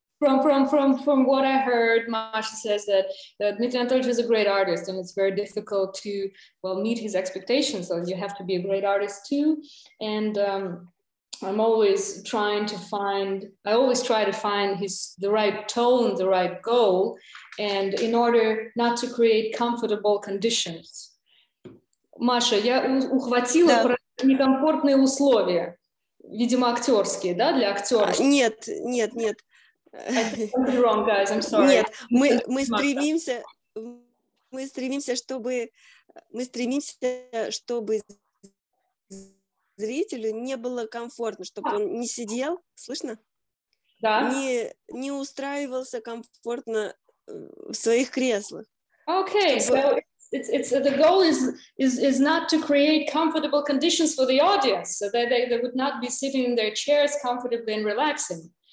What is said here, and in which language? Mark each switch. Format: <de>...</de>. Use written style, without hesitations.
<en>From what I heard, Masha says that Dmitry Anatolyevich is a great artist, and it's very difficult to meet his expectations. So you have to be a great artist too. And I'm always trying to find. I always try to find the right tone, the right goal, and in order not to create comfortable conditions.</en> <ru>Masha, я ухватила про некомфортные условия, видимо, актерские, да, для актера. Нет.</ru> <en>Wrong, guys. I'm sorry.</en> <ru>Нет, мы стремимся, чтобы зрителю не было комфортно, чтобы он не сидел, слышно? Да. Не устраивался комфортно в своих креслах.</ru> <en>Okay,</en> <ru>чтобы...</ru> <en>so it's it's the goal is not to create comfortable conditions for the audience, so that they would not be sitting in their chairs comfortably and relaxing.</en>